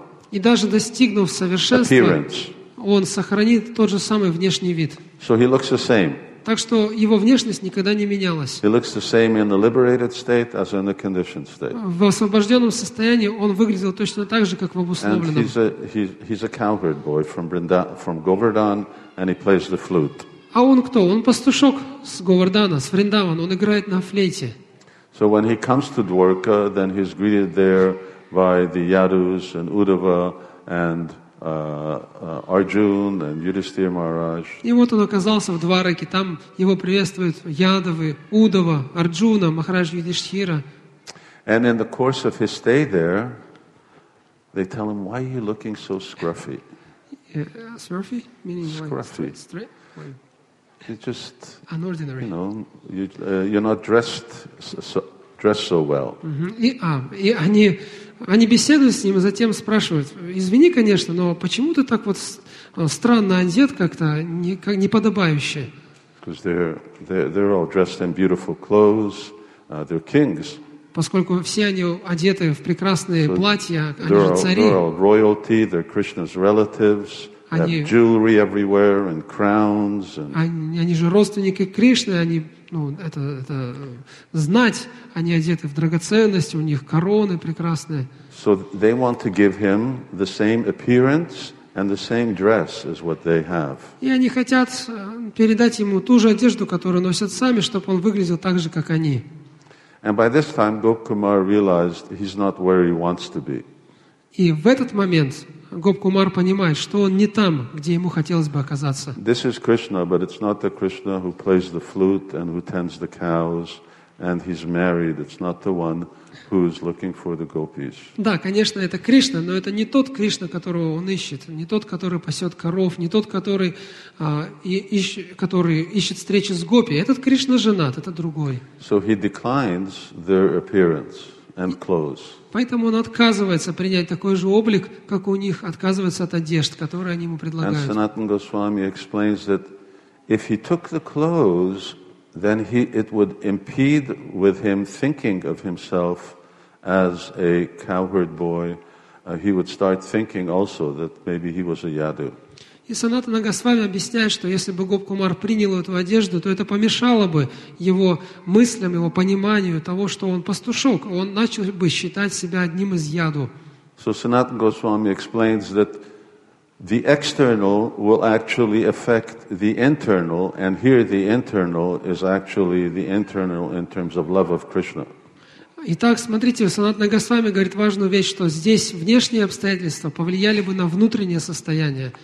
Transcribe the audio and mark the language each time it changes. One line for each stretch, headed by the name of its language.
Russian: И даже достигнув совершенства, он сохранит тот же самый внешний вид.
English: So he looks the same.
Russian: Так что его внешность никогда не менялась.
English: He looks the same in the liberated state as in the conditioned state.
Russian: В освобожденном состоянии он выглядел точно так же, как в обусловленном.
English: And he's a cowherd boy from Govardhan, and he plays the flute.
Russian: А он кто? Он пастушок с Говардана, с Вриндавана. Он играет на флейте.
English: So when he comes to Dwarka, then he's greeted there by the Yadus and Uddhava and Arjuna and Yudhisthira Maharaj.
Russian: И вот он оказался в Двараке. Там его приветствуют Ядавы, Уддхава, Арджуна, Махарадж Юдхиштхира.
English: And in the course of his stay there, they tell him, why are you looking so scruffy? Yeah, scruffy? Meaning scruffy. Like straight? You're just unordinary. You know, you're not dressed so well.
Russian: И они беседуют с ним и затем спрашивают: извини, конечно, но почему ты так вот странно одет как-то, не подобающе?
English: Because they're all dressed in beautiful clothes. They're kings.
Russian: Поскольку все они одеты в прекрасные платья, они же цари.
English: They're all royalty. They're Krishna's relatives. They have jewelry everywhere and crowns.
Russian: Они же родственники Кришны, они, ну, это знать, они одеты в драгоценности, у них короны прекрасные.
English: So they want to give him the same appearance and the same dress as what they have.
Russian: И они хотят передать ему ту же одежду, которую носят сами, чтобы он выглядел так же, как они.
English: And by this time, Gop Kumar realized he's not where he wants to be.
Russian: И в этот момент Гоп Кумар понимает, что он не там, где ему хотелось бы оказаться.
English: This is Krishna, but it's not the Krishna who plays the flute and who tends the cows and he's married. It's not the one who's looking for the gopis.
Russian: Да, конечно, это Кришна, но это не тот Кришна, которого он ищет, не тот, который пасет коров, не тот, который ищет встречи с гопи. Этот Кришна женат, это другой.
English: So he declines their appearance and clothes.
Russian: Поэтому он отказывается принять такой же облик, как у них, отказывается от одежд, которые они ему предлагают.
English: And Sanatana Goswami explains that if he took the clothes, then it would impede with him thinking of himself as a cowherd boy. He would start thinking also that maybe he was a Yadu.
Russian: И Санатана Госвами объясняет, что если бы Гоп Кумар принял эту одежду, то это помешало бы его мыслям, его пониманию того, что он пастушок. Он начал бы считать себя одним из яду.
English: So Sanatana Goswami explains that the external will actually affect the internal, and here the internal is actually the internal in terms of love of Krishna.
Russian: Итак, смотрите, Санатана Госвами говорит важную вещь, что здесь внешние обстоятельства повлияли бы на внутреннее состояние.